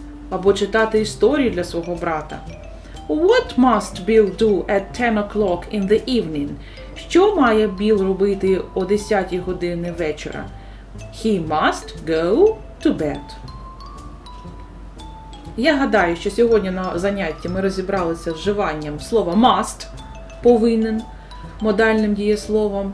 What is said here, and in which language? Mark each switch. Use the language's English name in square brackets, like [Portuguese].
[Ukrainian] Або читати історію для свого брата. [English] What must Bill do at 10 o'clock in the evening? [Ukrainian] Що має Біл робити о 10 годині вечора? [English] He must go to bed. [Ukrainian] Я гадаю, що сьогодні на занятті ми розібралися з вживанням слова must, повинен, модальним дієсловом.